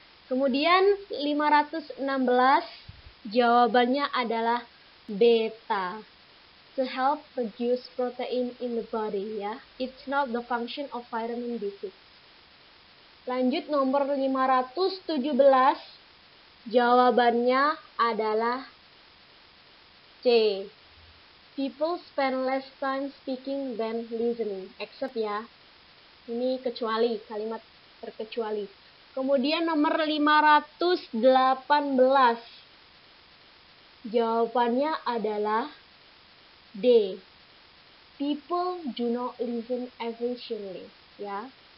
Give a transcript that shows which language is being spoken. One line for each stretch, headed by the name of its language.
Indonesian: Kemudian 516, jawabannya adalah beta.
English: To help produce protein in the body,
Indonesian: ya.
English: It's not the function of vitamin B6.
Indonesian: Lanjut nomor 517, jawabannya adalah C.
English: People spend less time speaking than listening, except
Indonesian: ya. Ini kecuali, kalimat terkecuali. Kemudian nomor 518, jawabannya adalah D.
English: People do not listen efficiently, ya.